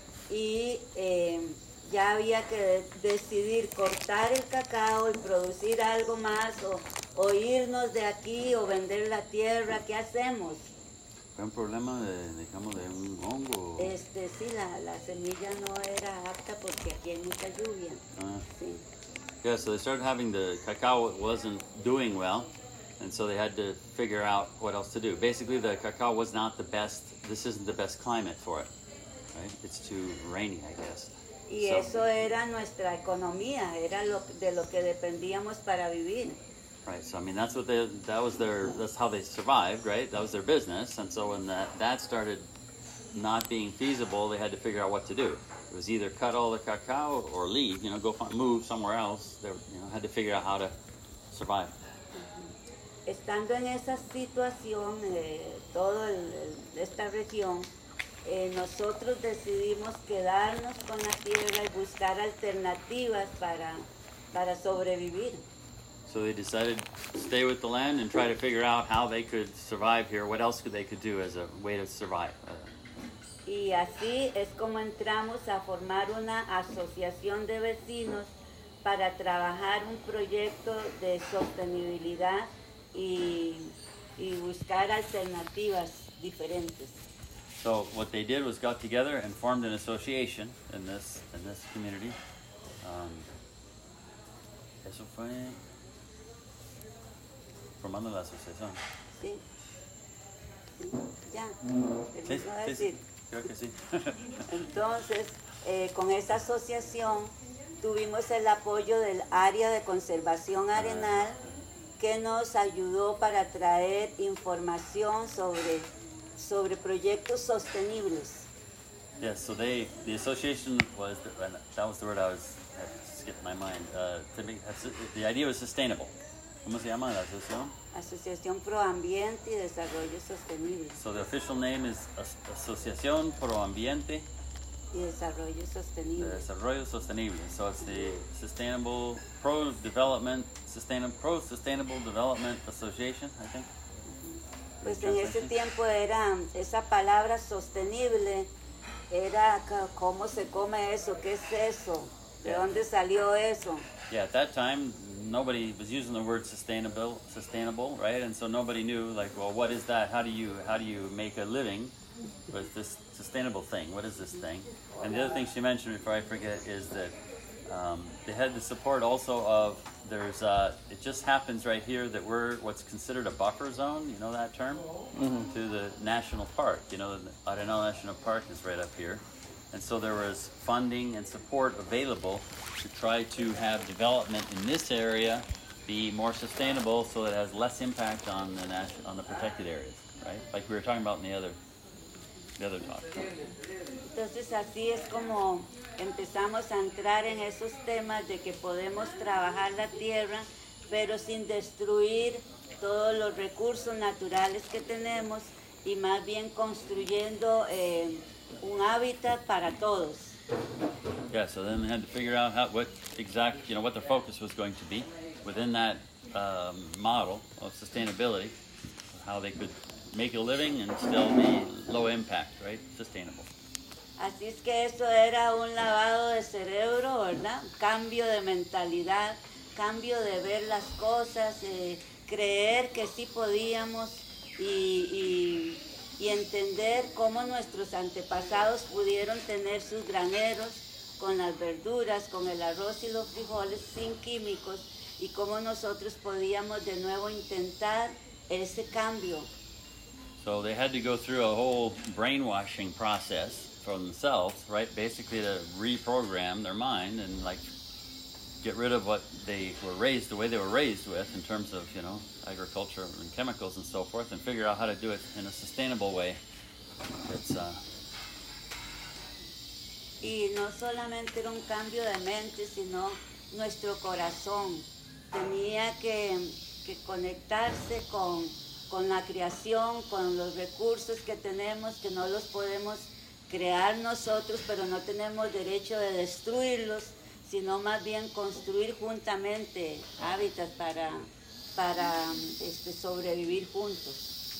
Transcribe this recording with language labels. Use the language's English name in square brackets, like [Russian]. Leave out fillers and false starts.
[Spanish] Y ya había que decidir cortar el cacao y producir algo más, o irnos de aquí, o vender la tierra. ¿Qué hacemos? ¿Fue un problema de un hongo? Sí, la semilla no era apta porque aquí hay mucha lluvia. Sí. [English] Yeah, so they started having the cacao wasn't doing well, and so they had to figure out what else to do. Basically, the cacao was not the best, this isn't the best climate for it. Right? It's too rainy, I guess. [Spanish] Y so, eso era nuestra economía, era lo de lo que dependíamos para vivir. [English] Right. So I mean, that's how they survived, right? That was their business. And so when that started not being feasible, they had to figure out what to do. It was either cut all the cacao or leave, you know, go move somewhere else. They had to figure out how to survive. [Spanish] Estando en esa situación, todo esta región. Nosotros decidimos quedarnos con la tierra y buscar alternativas para sobrevivir. [English] So they decided to stay with the land and try to figure out how they could survive here, what else they could do as a way to survive. [Spanish] Y así es como entramos a formar una asociación de vecinos para trabajar un proyecto de sostenibilidad y buscar alternativas diferentes. [English] So what they did was got together and formed an association in this community. [Spanish] Eso fue formando la asociación. Sí. Sí. Ya. Sí, sí, decir. Sí. Creo que sí. Entonces, con esa asociación tuvimos el apoyo del área de conservación Arenal, que nos ayudó para traer información sobre proyectos sostenibles. [English] Yes, so the association was, that was the word I skipped my mind. The idea was sustainable. [Spanish] ¿Cómo se llama la asociación? Asociación Pro Ambiente y Desarrollo Sostenible. [English] So the official name is Asociación Pro Ambiente [Spanish] y Desarrollo Sostenible. Desarrollo Sostenible. [English] So it's the Sustainable Pro Development, Pro Sustainable Development Association, I think. [Spanish] Pues en ese tiempo era, esa palabra sostenible, era cómo se come eso, qué es eso, de dónde salió eso. [English] Yeah, at that time, nobody was using the word sustainable, right? And so nobody knew, like, well, what is that? How do you make a living with this sustainable thing? What is this thing? And the other thing she mentioned before I forget is that they had the support also of, it just happens right here that we're what's considered a buffer zone, you know that term? Mm-hmm. To the national park. You know, the Arenal National Park is right up here. And so there was funding and support available to try to have development in this area be more sustainable so that it has less impact on the on the protected areas, right? Like we were talking about in the other talk. [Spanish] Entonces así es como empezamos a entrar en esos temas de que podemos trabajar la tierra, pero sin destruir todos los recursos naturales que tenemos y más bien construyendo un hábitat para todos. [English] Yeah, so then they had to figure out what their focus was going to be within that model of sustainability, how they could make a living and still be low impact, right? Sustainable. [Spanish] Así es que eso era un lavado de cerebro, ¿verdad? Cambio de mentalidad, cambio de ver las cosas, creer que sí podíamos y entender cómo nuestros antepasados pudieron tener sus graneros con las verduras, con el arroz y los frijoles sin químicos y cómo nosotros podíamos de nuevo intentar ese cambio. [English] So they had to go through a whole brainwashing process for themselves, right? Basically to reprogram their mind and like get rid of what they were raised, the way they were raised with in terms of, you know, agriculture and chemicals and so forth, and figure out how to do it in a sustainable way. [Spanish] Y no solamente era un cambio de mente, sino nuestro corazón. Tenía que conectarse con la creación, con los recursos que tenemos, que no los podemos crear nosotros, pero no tenemos derecho de destruirlos, sino más bien construir juntamente hábitats para sobrevivir juntos.